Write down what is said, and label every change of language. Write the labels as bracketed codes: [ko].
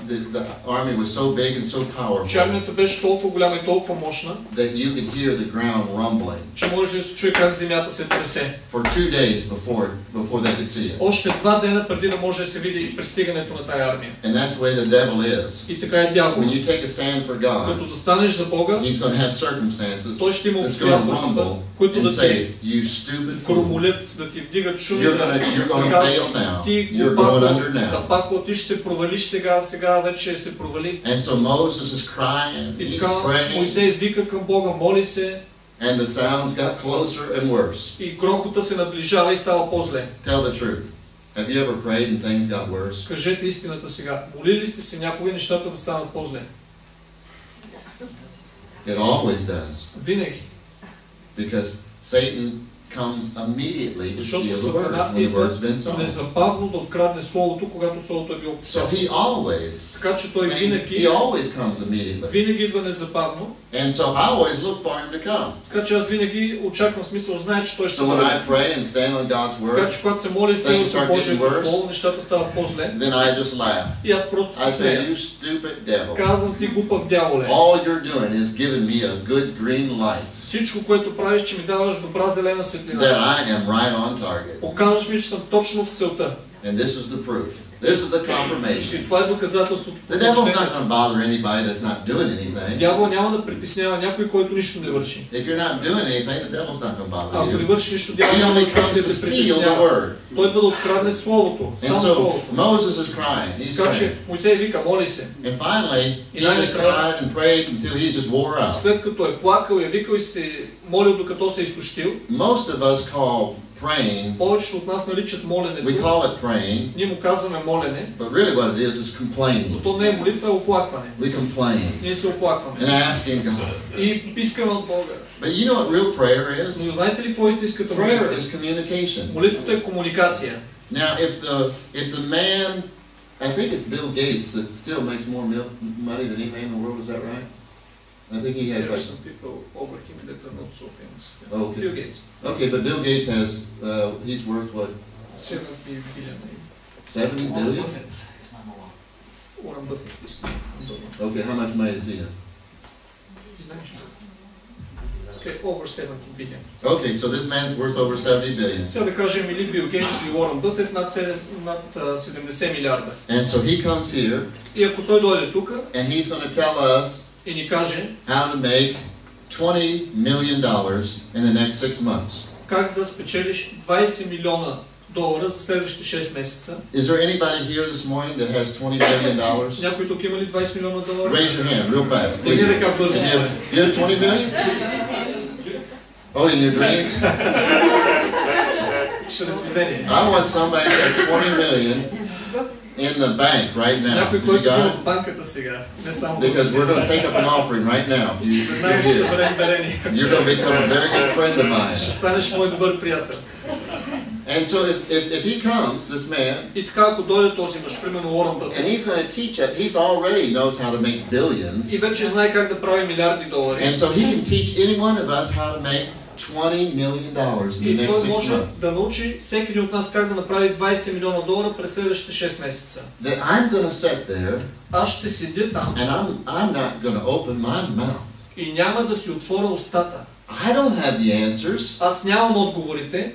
[en] the army was so big and so powerful, [bg] че армията беше толкова голяма и толкова мощна, [en] that you could hear the ground rumbling, [bg] че можеш да се чуе как земята се тресе. [en] For 2 days before they could see it. [bg] Още 2 дена преди да може да се види пристигането на тая армия. [en] And that's the way the devil is. [bg] И така е дяволът. [en] When you take a stand for God, [bg] като застанеш за Бога, [en] he's going to have circumstances, [bg] той ще има обстоятелства, които да [en] say, you stupid fool, [bg] да ти вдигат шум, [en] you're going to fail now. [bg] Да пак ти ще се провалиш сега, сега вече се провали. [en] And so Moses is crying, he's praying. [bg] Мойсей вика към Бога, моли се. [en] And the sounds got closer and worse. [bg] И крохота се наближава и става по-зле. [en] Tell the truth. Have you ever prayed and things got worse? [bg] Кажете истината сега. Молили сте се някога нещата да станат по-зле? [en] It always does. [bg] Винаги. [en] Because Satan comes immediately to steal the word when the word's been sown. [bg] Незабавно да открадне словото, когато словото е било посадено. [en] So he always, [bg] така че той винаги, [en] he always comes immediately. [bg] Винаги идва незабавно. [en] And so I always look for him to come. [bg] Така че аз винаги очаквам, в смисъл, знае, че той ще дойде. [en] So when I pray and stand on God's word, [bg] така че когато се моля и стоя на Божието слово, нещата стават по-зле. [en] Then I just laugh. [bg] И аз просто се смея. [en] I say, you stupid devil. [bg] Казвам ти, глупав дяволе. [en] All you're doing is giving me a good green light. [bg] Всичко, което правиш, че ми даваш добра зелена светлина. [en] That I am right on target. [bg] Показваш ми, че съм точно в целта. [en] And this is the proof. This is the confirmation. [bg] И това е доказателството. [en] The devil's not going to bother anybody that's not doing anything. [bg] Дявол няма да притеснява някой, който нищо не върши. [en] If you're not doing anything, the devil's not going to bother you. [bg] Ако не върши нищо, дявол не може да притеснява. Той да открадне словото, само словото. [en] Moses is crying. He's crying. [bg] Че Мойсей вика, моли се. [en] And finally, he cried and prayed until he just wore out. [bg] След като е плакал, е викал и се молил, докато се изтощил. [en] Most of us call praying, [bg] повечето от нас наричат моленето. [en] We call it praying. [bg] Ние му казваме молене. [en] But really what it is complaining. [bg] Но то не е молитва, а оплакване. [en] We complain. [bg] Ние се оплакваме. [en] And asking God. [bg] И пискаме от Бога. [en] But you know what real prayer is? [bg] Но знаете ли какво истинската молитва? [en] Prayer is communication. [bg] Молитвата е комуникация. [en] Now if the man, I think it's Bill Gates that still makes more money than any man in the world, is that right? I think he has some people over him that are not so famous. Yeah. Okay. Bill Gates. Okay, but Bill Gates has, he's worth what? 70 billion. 70 billion? It's not more than Or I'm looking at this thing. Okay, how much money is he in? Okay, over 70 billion. Okay, so this man's worth over 70 billion. So the question will be against the Warren Buffett, not 70 billion. And so he comes here. [bg] И ако той дойде тук, [en] and he's going to tell us [bg] и ни каже, [en] how to make $20 million in the next 6 months. [bg] Как да спечелиш 20 милиона долара за следващите 6 месеца? [en] Is there anybody here this morning that has $20 million? [bg] Някой тук има ли 20 милиона долара? [en] Raise your hand, real fast. Please. [bg] Да как бързо. [en] You have 20 million? Oh, in your dreams? I want somebody to have 20 million in the bank right now. You got it? Because we're going to take up an offering right now. You're going to become a very good friend of mine. And so if he comes, this man, and he's going to teach it, he's already knows how to make billions. And so he can teach any one of us how to make $20 million in the next 6 months. [bg] И може да научи всеки един от нас как да направи 20 милиона долара през следващите 6 месеца. [en] Then I'm gonna sit there. [bg] Аз ще седя там. [en] And I'm not gonna open my mouth. [bg] И няма да си отворя устата. [en] I don't have the answers. [bg] Аз нямам отговорите.